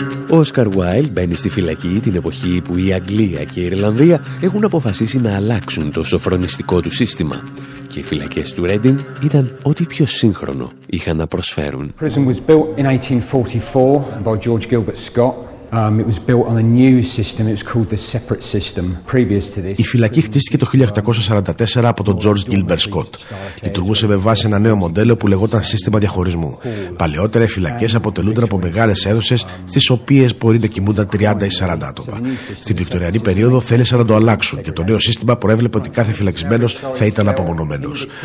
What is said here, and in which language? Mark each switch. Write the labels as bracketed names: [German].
[Greek] Ο Oscar Wilde μπαίνει στη φυλακή την εποχή που η Αγγλία και η Ιρλανδία έχουν αποφασίσει να αλλάξουν το σοφρονιστικό του σύστημα. Και οι φυλακές του Reading ήταν ό,τι πιο σύγχρονο είχαν να προσφέρουν. [English] Prison was built in 1844 by George Gilbert Scott. It was built on a new system. It was called the separate system. Previous to this, [Greek] η φυλακή χτίστηκε το 1844 από τον George Gilbert Scott. Λειτουργούσε με βάση ένα νέο μοντέλο που λεγόταν σύστημα διαχωρισμού. Παλαιότερα οι φυλακές αποτελούνταν από μεγάλες αίθουσες, στις οποίες μπορεί να κοιμούνταν 30 ή 40 άτομα. Στην Βικτωριανή περίοδο θέλησαν να το αλλάξουν και το νέο σύστημα προέβλεπε ότι κάθε φυλακισμένος θα ήταν απομονωμένος.